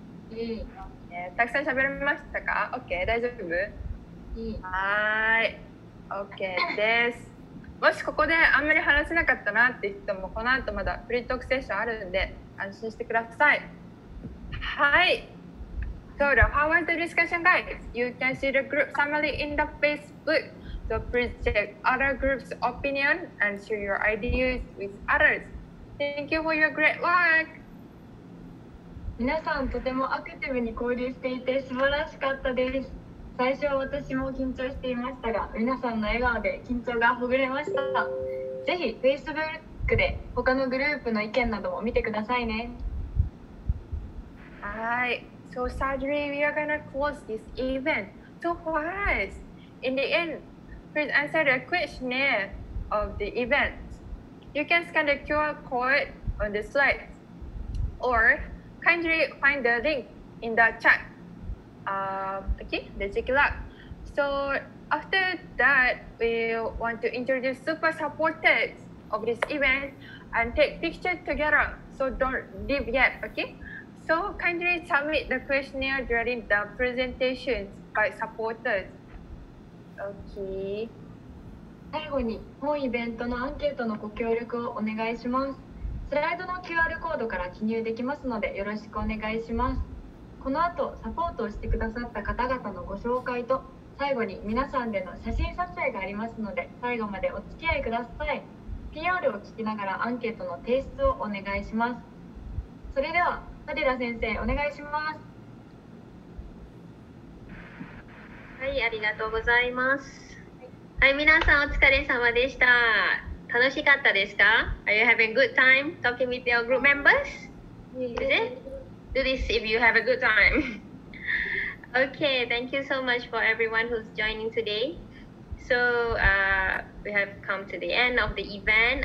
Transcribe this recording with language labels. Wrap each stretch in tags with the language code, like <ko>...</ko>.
<ja>いい。たくさん喋れましたか？ OK, 大丈夫？いい。はーい。OK です。もしここであんまり話せなかったなって人もこの後まだフリートークセッションあるんで安心してください。</ja> <en>はい。So, how was the discussion, guys? You can see the group summary in the Facebook. So please check other groups' opinion and share your ideas with others. Thank you for your great work.</en> <ja>皆さんとてもアクティブに交流していて素晴らしかったです。最初は私も緊張していましたが、皆さんの笑顔で緊張がほぐれました。ぜひ Facebook で他のグループの意見なども見てくださいね。はい。</ja> <en>So sadly, we are gonna close this event. So for us, in the end, please answer the questionnaire of the event. You can scan the QR code on the slide, or kindly find the link in the chat. Okay, let's check it out. So after that, we want to introduce super supporters of this event and take pictures together. So don't leave yet, okay? So kindly submit the questionnaire during the presentations by supporters. Okay.</en> <ja>最後に本イベントのアンケートのご協力をお願いします。スライドの QR コードから記入できますのでよろしくお願いします。この後、サポートをしてくださった方々のご紹介と、最後に皆さんでの写真撮影がありますので、最後までお付き合いください。 PR を聞きながらアンケートの提出をお願いします。それでは、ハリラ先生、お願いします。はい、ありがとうございます。はい、皆さんお疲れ様でした。楽しかったですか？</ja> <en>Are you having good time talking with your group members? Is it? Do this if you have a good time. Okay, thank you so much for everyone who's joining today. So, we have come to the end of the event.</en>